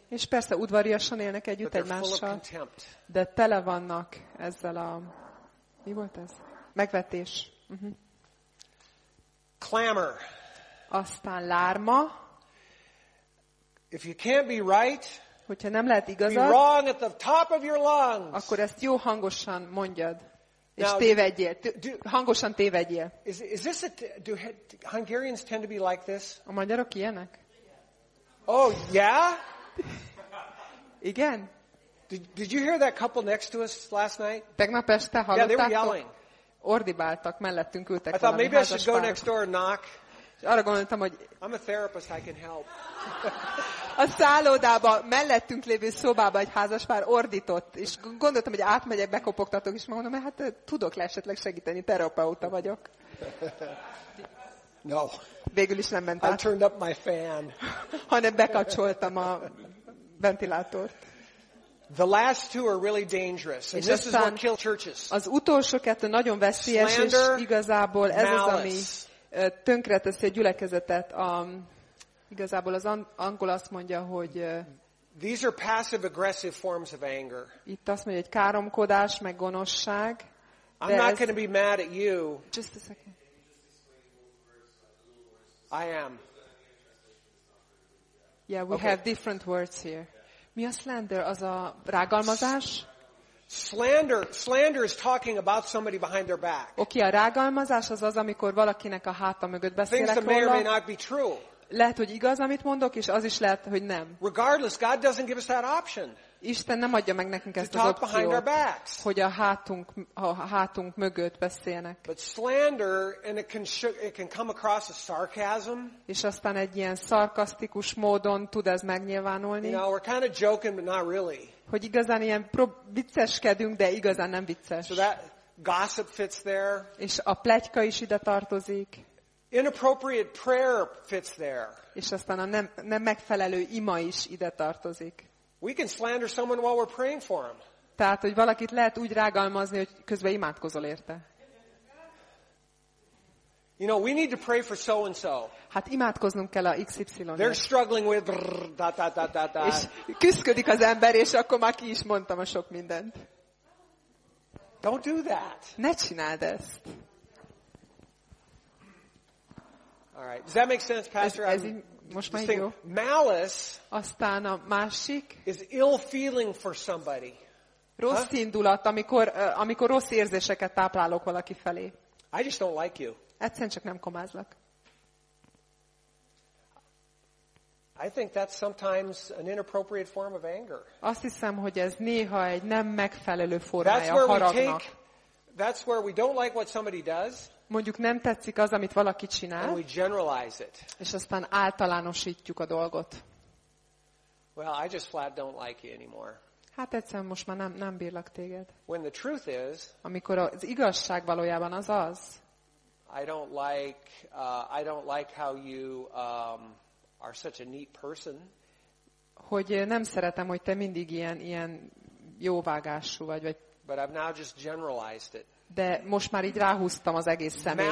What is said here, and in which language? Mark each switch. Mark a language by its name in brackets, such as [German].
[Hungarian] És persze udvariasan élnek együtt egymással. De tele vannak ezzel a mi volt ez? Megvetés. [English] Clamor. [Hungarian] Aztán lárma. [English] If you can't be right, [Hungarian] hogyha nem lehet igazad, [English] be wrong at the top of your lungs. [Hungarian] Akkor ezt jó hangosan mondjad. És tévedjél. Hangosan tévedjél. [English] Do Hungarians tend to be like this? [Hungarian] A magyarok ilyenek? [English] Oh, yeah? [Hungarian] Igen. [English] Did you hear that couple next to us last night? [Hungarian] Tegnap este hallottátok? [English] Yeah, they were yelling. [Hungarian] Ordibáltak, mellettünk ültek valami házaspár. [English] I thought maybe I should go next door and knock. [Hungarian] Arra gondoltam, hogy [English] I'm a therapist, I can help. [Hungarian] A szállodába, mellettünk lévő szobába egy házaspár ordított, és gondoltam, hogy átmegyek, bekopogtatok, és mondom, hát tudok le esetleg segíteni, terapeuta vagyok. [English] No. [Hungarian] Végül is nem ment át. [English] I turned up my fan. [Hungarian] Hanem bekapcsoltam a ventilátort. [English] The last two are really dangerous, and this is what kills churches. [Hungarian] Az utolsó kettő nagyon veszélyes, és igazából ez az, ami tönkreteszi a gyülekezetet. Igazából az angol azt mondja, hogy [English] these are passive-aggressive forms of anger. [Hungarian] Itt azt mondja, hogy káromkodás, meg gonoszság. [English] I'm not going to be mad at you. Just a second. I am. Yeah, we have different words here. [Hungarian] Mi a slander? Az a rágalmazás? [English] Slander is talking about somebody behind their back. [Hungarian] Okay, a rágalmazás az az, amikor valakinek a háta mögött beszélek róla. [English] Things that may or may not be true. [Hungarian] Lehet, hogy igaz, amit mondok, és az is lehet, hogy nem. [English] Regardless, God doesn't give us that option. [Hungarian] Isten nem adja meg nekünk ezt az opciót, hogy a hátunk mögött beszéljenek. [English] But slander, and it can come across as sarcasm. [Hungarian] És aztán egy ilyen szarkasztikus módon tud ez megnyilvánulni. [English] You know, we're kind of joking, but not really. [Hungarian] Hogy igazán ilyen vicceskedünk, de igazán nem vicces. [English] So that gossip fits there. [Hungarian] És a pletyka is ide tartozik. [English] Inappropriate prayer fits there. [Hungarian] És aztán a nem megfelelő ima is ide tartozik. [English] We can slander someone while we're praying for him. [Hungarian] Tehát, hogy valakit lehet úgy rágalmazni, hogy közben imádkozol érte. [English] You know, we need to pray for so and so. [Hungarian] Hát imádkoznunk kell a XY-nek. [English] They're struggling with da. [Hungarian] És küszködik az ember, és akkor már ki is mondtam a sok mindent. [English] Don't do that. [Hungarian] Ne csináld ezt. [English] All right. Does that make sense, Pastor? [Hungarian] Most már jó. [English] Malice. [Hungarian] Aztán a másik. [English] Is ill feeling for somebody. [Hungarian] Rossz indulat, amikor rossz érzéseket táplálok valaki felé. [English] I just don't like you. [Hungarian] Egyszerűen csak nem komázlak. [English] I think that's sometimes an inappropriate form of anger. [Hungarian] Azt hiszem, hogy ez néha egy nem megfelelő formája a haragnak. [English] That's where we don't like what somebody does. [Hungarian] Mondjuk nem tetszik az, amit valaki csinál. [English] And we generalize it. [Hungarian] És aztán általánosítjuk a dolgot. [English] Well, I just flat don't like you anymore. [Hungarian] Hát egyszerűen most már nem bírlak téged. [English] When the truth is, [Hungarian] amikor az igazság valójában az. [English] I don't like how you are such a neat person. [Hungarian] Hogy nem szeretem, hogy te mindig ilyen jóvágású vagy. [English] But I've now just generalized it. [Hungarian] De most már így ráhúztam az egész személyre.